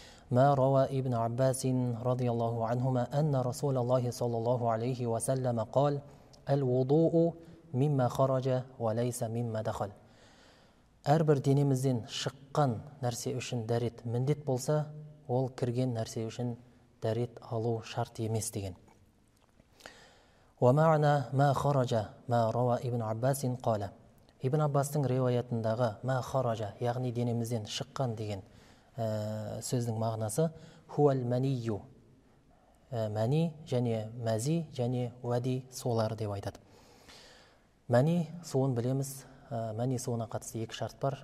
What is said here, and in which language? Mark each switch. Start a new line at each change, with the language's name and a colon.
Arabic: ما روى ابن عباس رضي الله عنهما أن رسول الله صلى الله عليه وسلم قال: الوضوء مما خرج وليس مما دخل.
Kazakh: Әрбір денемізден шыққан нәрсе үшін дәрет міндет болса, ол кірген нәрсе үшін дәрет алу шарт емес деген.
Arabic: ومعنى ما خرج ما روى ابن عباس قال.
Kazakh: Ибн Аббастың риуаятындағы
Arabic: ما خرج,
Kazakh: яғни денемізден шыққан деген сөздің мағынасы: «Хуал манию» мәни және мәзи және уәди сулары деп айтады. Мәни суын білеміз, мәни суына қатысты екі шарт бар.